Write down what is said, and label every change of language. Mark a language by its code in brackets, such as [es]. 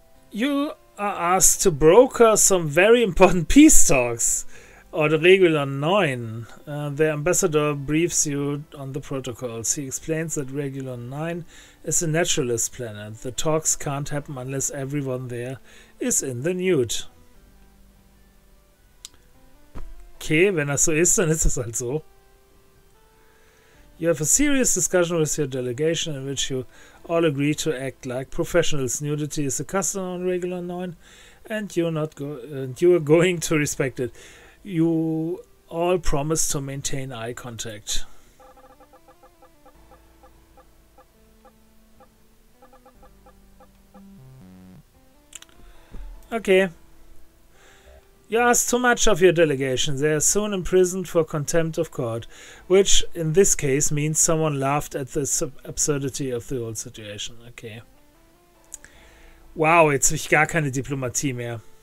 [en] You are asked to broker some very important peace talks. Order Regular 9. The ambassador briefs you on the protocols. He explains that Regular 9 is a naturalist planet. The talks can't happen unless everyone there is in the nude. [de] Okay, wenn das so ist, dann ist das halt so. [en] You have a serious discussion with your delegation in which you all agree to act like professionals. Nudity is a custom on Regular 9 and you are going to respect it. You all promise to maintain eye contact. Okay. You ask too much of your delegation. They are soon imprisoned for contempt of court, which in this case means someone laughed at the absurdity of the whole situation. Okay. [de] Wow, jetzt habe ich gar keine Diplomatie mehr.